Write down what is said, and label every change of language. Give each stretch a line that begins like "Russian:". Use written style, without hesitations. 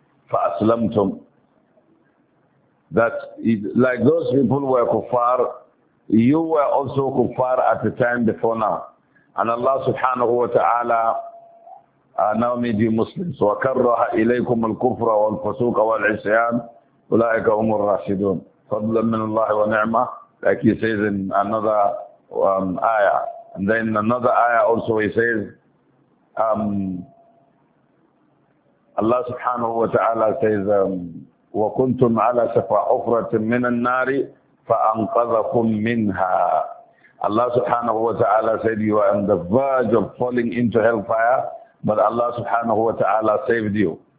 Arabic: فَأَسْلَمْتُمْ,
English: that it, like those people were kuffar, you were also kuffar at the time before now, and Allah subhanahu wa ta'ala now made you Muslims.
Arabic: وَكَرَّهَ إِلَيْكُمُ الْكُفْرَ وَالْفُسُوقَ وَالْعِصْيَانَ أُولَٰئِكَ هُمُ الرَّاشِدُونَ فَضْلًا مِنَ اللَّهِ وَنِعْمَةً,
English: like he says in another ayah. And then in another ayah also he says, Allah subhanahu wa ta'ala says,
Arabic: وَكُنْتُمْ عَلَى شَفَا حُفْرَةٍ مِّنَ النَّارِ فَأَنْقَذَكُمْ مِّنْهَا.
English: Allah subhanahu wa ta'ala said, you are on the verge of falling into hellfire, but Allah subhanahu wa ta'ala saved you.